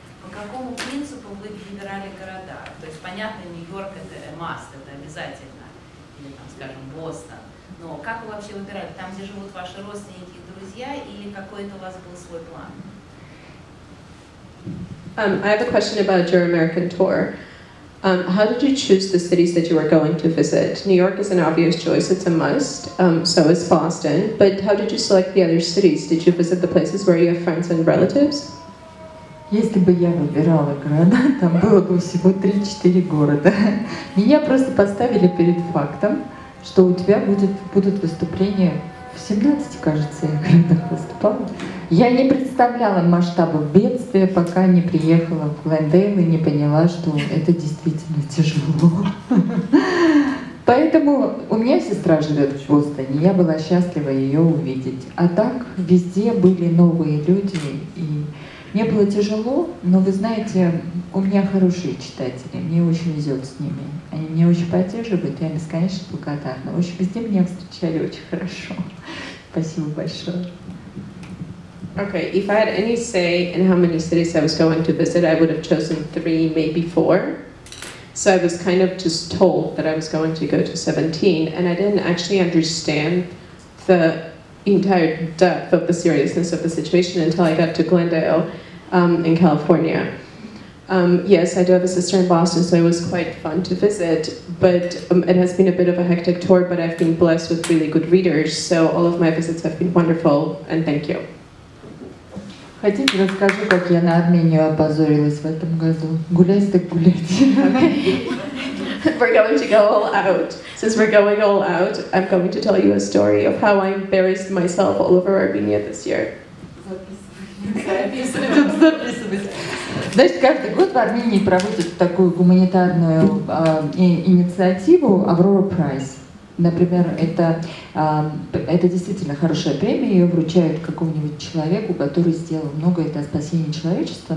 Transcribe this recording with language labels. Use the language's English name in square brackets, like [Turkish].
[Russian] Какому принципу вы выбирали города? То есть, понятно, Нью-Йорк — это must, это обязательно, или там, скажем, Бостон. Но как вы вообще выбирали? Там, где живут ваши родственники и друзья, или какой-то у вас был свой план? [English] I have a question about your American tour. How did you choose the cities that you were going to visit? New York is an obvious choice, it's a must, so is Boston. But how did you select the other cities? Did you visit the places where you have friends and relatives? [Russian] Если бы я выбирала города, там было бы всего 3-4 города. Меня просто поставили перед фактом, что у тебя будут выступления в 17, кажется, я городах выступала. Я не представляла масштаба бедствия, пока не приехала в Глендейл и не поняла, что это действительно тяжело. Поэтому у меня сестра живет в Бостоне, я была счастлива ее увидеть. А так везде были новые люди и... Мне было тяжело, но вы знаете, у меня хорошие читатели, мне очень везет с ними. Они меня очень поддерживают, я им бесконечно благодарна. В общем, везде меня встречали очень хорошо. Спасибо большое. [English] Okay, if I had any say in how many cities I was going to visit, I would have chosen 3, maybe 4. So I was kind of just told that I was going to go to 17, and I didn't actually understand the entire depth of the seriousness of the situation until I got to Glendale in California. Yes, I do have a sister in Boston, so it was quite fun to visit, but it has been a bit of a hectic tour, but I've been blessed with really good readers, so all of my visits have been wonderful, and thank you. [Russian] Хотите, расскажу, как я на Армению опозорилась в этом году? Гулять так гулять. [English] We're going to go all out. Since we're going all out, I'm going to tell you a story of how I embarrassed myself all over Armenia this year. [Russian] Знаете, каждый год в Армении проводят такую гуманитарную инициативу Aurora Prize. Например, это действительно хорошая премия, ее вручают какому-нибудь человеку, который сделал многое для спасения человечества.